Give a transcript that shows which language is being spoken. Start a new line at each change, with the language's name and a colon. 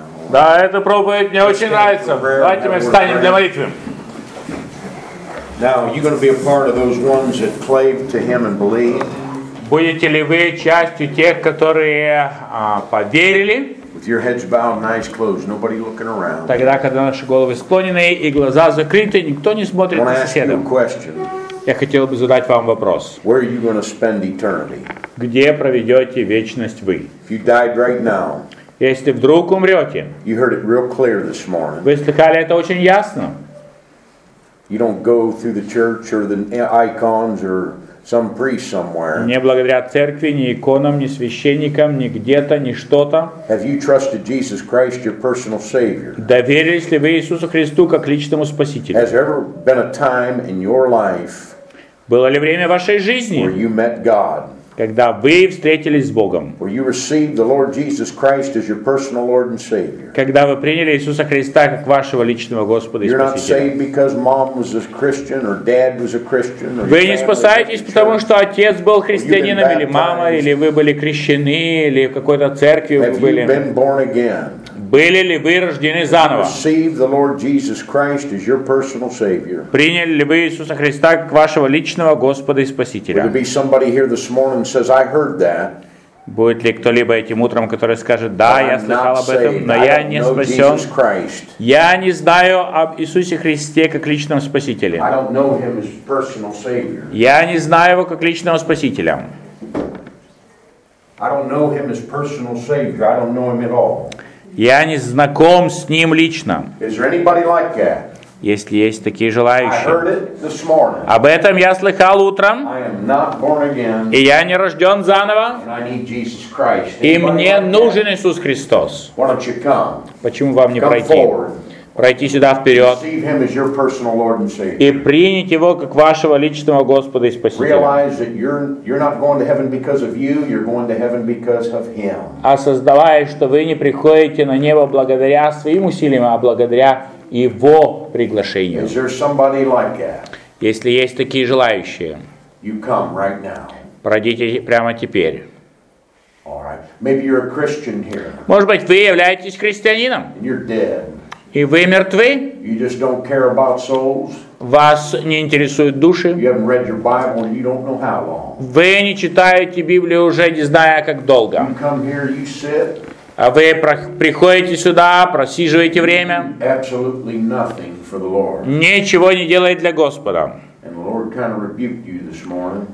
Russian: Да, эта проповедь мне очень нравится. Давайте мы встанем для молитвы.
English: Now, you're going to be a part of those ones that clave to him and believed.
Russian: Будете ли вы частью тех, которые поверили?
English: With your heads bowed and eyes closed, nobody looking around.
Russian: Тогда, когда наши головы склонены и глаза закрыты, никто не смотрит на соседа. Я хотел бы задать вам вопрос.
English: Where are you going to spend eternity?
Russian: Где проведете вечность вы?
English: If you died right now,
Russian: если вдруг умрете,
English: you heard it real clear this morning.
Russian: Вы слыхали это очень ясно.
English: You don't go through the church or the icons or some priest somewhere.
Russian: Не благодаря церкви, ни иконам, ни священникам, ни где-то, ни что-то.
English: Have you trusted Jesus Christ your personal savior?
Russian: Доверились ли вы Иисусу Христу как личному спасителю?
English: Has there ever been a time in your life?
Russian: Было ли время в вашей жизни?
English: Where you met God?
Russian: Когда вы встретились с Богом?
English: Where you received the Lord Jesus Christ as your personal Lord and Savior?
Russian: Когда вы приняли Иисуса Христа как вашего личного Господа и Спасителя?
English: You're not saved because mom was a Christian or dad was a Christian.
Russian: Вы не спасаетесь потому, что отец был христианином или мама, или вы были крещены, или в какой-то церкви вы были.
English: Have you been born again?
Russian: Были ли вы рождены заново?
English: Received the Lord Jesus Christ as your personal Savior.
Russian: Приняли ли вы Иисуса Христа как вашего личного Господа и Спасителя?
English: Would there be somebody here this morning says I heard that?
Russian: Будет ли кто-либо этим утром, который скажет: да, я слыхал об этом, но я не спасен. Я не знаю об Иисусе Христе как личном спасителе.
English: I don't know him as personal
Russian: Savior. Я не знаю его как личного спасителя.
English: I don't know him as personal Savior. I don't know him at all.
Russian: Я не знаком с ним лично.
English: Is there anybody like that?
Russian: Если есть такие желающие.
English: I heard it this morning.
Russian: Об этом я слыхал утром.
English: I am not born again.
Russian: И я не рожден заново.
English: And I need Jesus Christ.
Russian: И мне нужен Иисус Христос.
English: Why don't you come?
Russian: Почему вам не
English: come
Russian: пройти?
English: Forward.
Russian: Пройти сюда вперед.
English: Receive him as your personal Lord and Savior.
Russian: И принять его как вашего личного Господа и Спасителя.
English: Realize that you're not going to heaven because of you, you're going to heaven because of him.
Russian: Осознавая, что вы не приходите на небо благодаря своим усилиям, а благодаря его приглашению.
English: Is there somebody like that?
Russian: Если есть такие желающие,
English: you come right now.
Russian: Пройдите прямо теперь.
English: All right. Maybe you're a Christian here.
Russian: Может быть, вы являетесь христианином.
English: And you're dead.
Russian: И вы мертвы?
English: You just don't care about souls.
Russian: Вас не интересуют души?
English: You haven't read your Bible and you don't know how long.
Russian: Вы не читаете Библию уже не зная как долго.
English: You come here, you sit.
Russian: А вы приходите сюда, просиживаете время.
English: You do absolutely nothing for the Lord.
Russian: Ничего не делает для Господа.
English: And the Lord kind of rebuked you this morning.